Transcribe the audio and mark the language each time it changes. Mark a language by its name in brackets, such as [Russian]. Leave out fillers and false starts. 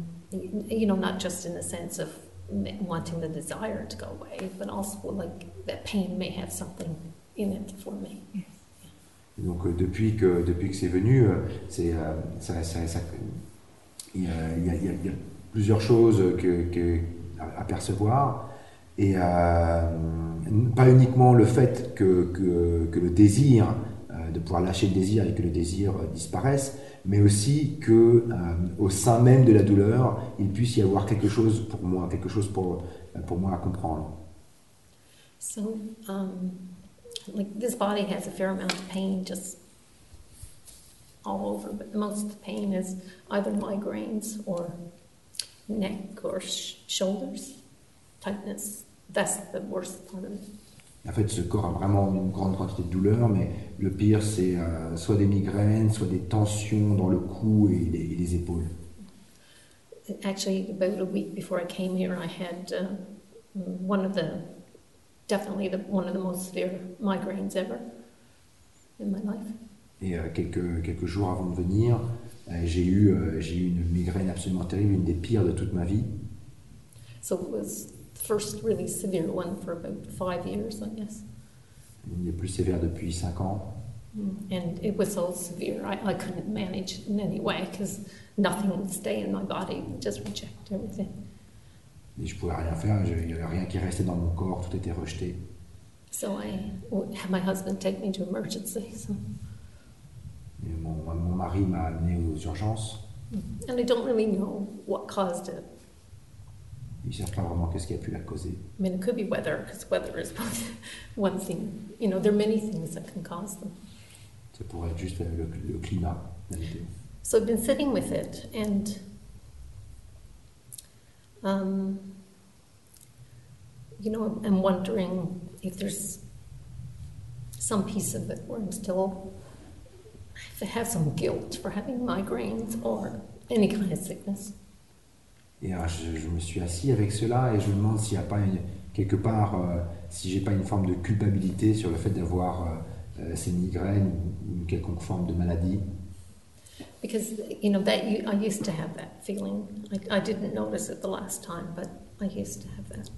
[English] You know, not just in the sense of wanting the desire to go away, but also like that pain may have something in it for me. Yeah. [French] Donc depuis que c'est venu, il y a plusieurs choses que à percevoir. Et pas uniquement le fait que le désir, de pouvoir lâcher le désir et que le désir disparaisse, mais aussi qu'au sein même de la douleur, il puisse y avoir quelque chose pour moi, quelque chose pour moi à comprendre. [English] So, like this body has a fair amount of pain just all over, but most of the pain is either migraines or neck or shoulders, tightness. That's the worst part. [French] En fait, ce corps a vraiment une grande quantité de douleurs, mais le pire, c'est soit des migraines, soit des tensions dans le cou et les épaules. [English] Actually, about a week before I came here, I had one of the most severe migraines ever in my life. [French] Et quelques jours avant de venir, j'ai eu une migraine absolument terrible, une des pires de toute ma vie. [English] So it was first really severe one for about 5 years, I guess. [French] Il est plus sévère depuis 5 ans. [English] And it was so severe, I couldn't manage in any way because nothing would stay in my body, just reject everything. [French] Et je pouvais rien faire, il n'y avait rien qui restait dans mon corps, tout était rejeté. [English] So I had my husband take me to emergency. [French] Mon mari m'a amené aux urgences. [English] And I don't really know what caused it. [French] Ils savent pas vraiment qu'est-ce qui a pu la causer. [English] I mean, it could be weather, because weather is one thing. You know, there are many things that can cause them. [French] Ça pourrait être juste le climat, la météo. [English] So I've been sitting with it, and you know, I'm wondering if there's some piece of it where I'm still, if I have some guilt for having migraines or any kind of sickness. [French] Et je me suis assis avec cela et je me demande s'il n'y a pas quelque part, si j'ai pas une forme de culpabilité sur le fait d'avoir ces migraines ou une quelconque forme de maladie. [English] Because you know that I used to have that feeling. I didn't notice it the last time, but I used to have that.